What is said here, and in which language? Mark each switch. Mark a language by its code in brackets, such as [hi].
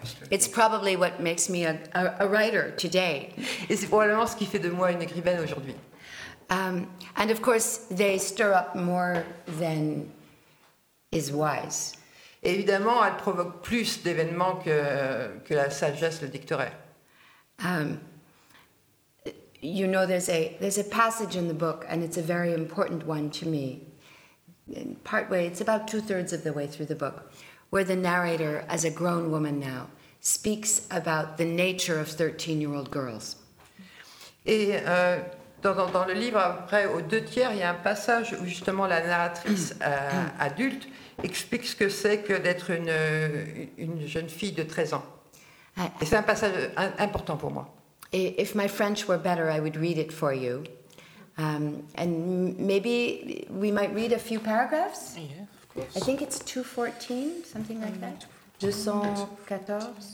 [en] It's probably what makes me a writer today. [fr] Et c'est probablement ce qui fait de moi une écrivaine aujourd'hui. [en] And of course, they stir up more than is wise. [fr] Et évidemment, elle provoque plus d'événements que la sagesse le dicterait. [en] You know, there's a passage in the book, and it's a very important one to me. Partway, it's about two-thirds of the way through the book, where the narrator, as a grown woman now, speaks about the nature of 13-year-old girls. [fr] Et dans le livre, après, aux deux tiers, il y a un passage où justement la narratrice adulte explique ce que c'est que d'être une jeune fille de 13 ans. Et c'est un passage important pour moi. [en] Et if my French were better, I would read it for you. And maybe we might read a few paragraphs. Yeah, of course. I think it's 214, something like that. 214.